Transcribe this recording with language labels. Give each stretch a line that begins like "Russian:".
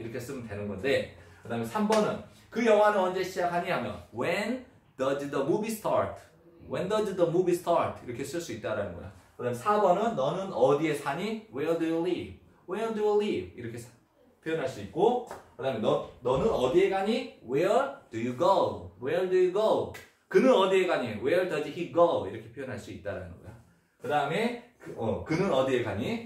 Korean: 이렇게 쓰면 되는 건데 그 다음에 3번은 그 영화는 언제 시작하니?
English: 하면 When does the movie start? When does the movie start?
Korean: 이렇게 쓸 수 있다라는 거야. 그 다음 4번은 너는 어디에 사니?
English: Where do you live? Where do you live?
Korean: 이렇게 표현할 수 있고 그 다음에 너는 어디에 가니?
English: Where do you go? Where do you go?
Korean: 그는 어디에 가니?
English: Where does he go?
Korean: 이렇게 표현할 수 있다라는 거야. 그 다음에 그는 어디에 가니?